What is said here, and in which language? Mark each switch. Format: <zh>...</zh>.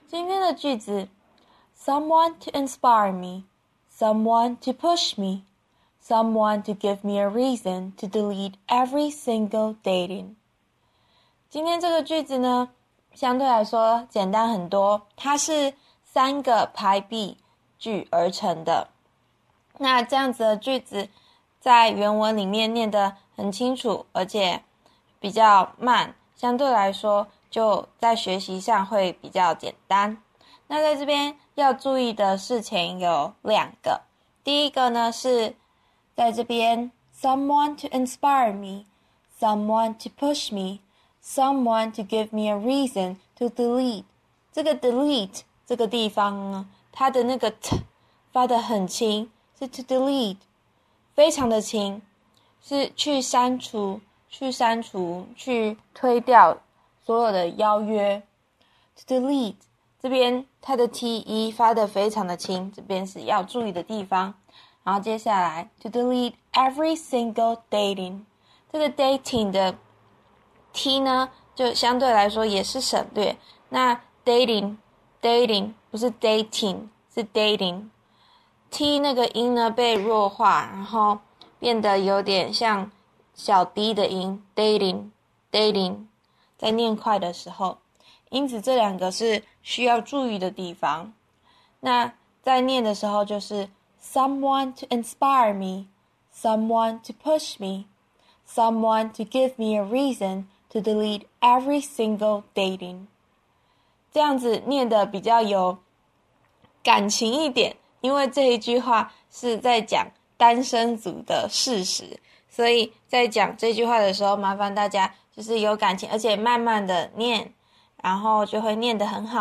<zh>今天的句子：</zh> <en>someone to inspire me, someone to push me, someone to give me a reason to delete every single dating。</en> <zh>今天这个句子呢，相对来说简单很多，它是三个排比句而成的。那这样子的句子，在原文里面念得很清楚，而且比较慢，相对来说就在学习上会比较简单。那在这边要注意的事情有两个，第一个呢是在这边，</zh> <en>someone to inspire me，someone to push me，someone to give me a reason to delete。</en> <zh>这个 delete 这个地方呢，它的那个 t 发得很轻，是</zh> <en>to delete，</en> <zh>非常的轻，是去删除、去删除、去推掉所有的邀约，to delete 这边它的 te 发得非常的轻，这边是要注意的地方。然后接下来，</zh> <en>to delete every single dating，</en> <zh>这个 dating 的 t 呢，就相对来说也是省略。那 dating 不是 dating，是 dating，t 那个音呢被弱化，然后变得有点像小 d 的音，dating。在念快的时候，因此这两个是需要注意的地方。那在念的时候就是</zh> <en>someone to inspire me, someone to push me, someone to give me a reason to delete every single dating。</en> <zh>这样子念得比较有感情一点，因为这一句话是在讲单身族的事实，所以在讲这句话的时候，麻烦大家就是有感情，而且慢慢的念，然后就会念得很好。</zh>